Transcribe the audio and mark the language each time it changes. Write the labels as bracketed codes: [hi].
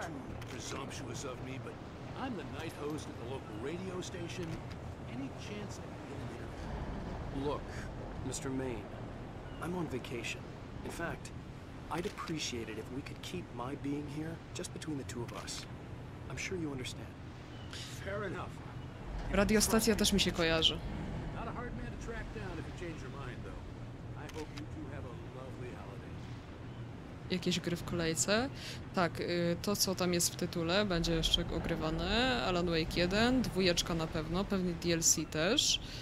[en] I hope this isn't too presumptuous of me, but I'm the night host at the local radio station. Any chance I can get in here? Look, Mr. Main, I'm on vacation. In fact, I'd appreciate it if we could keep my being here just between the two of us. I'm sure you understand. Fair enough. [pl] Radiostacja też mi się kojarzy. [en] Not a hard man to track down if you change your mind, though. I hope you two have a lovely holiday. [pl] Jakieś gry w kolejce? Tak, to co tam jest w tytule będzie jeszcze ogrywane. Alan Wake 1, dwójeczka na pewno, pewnie DLC też.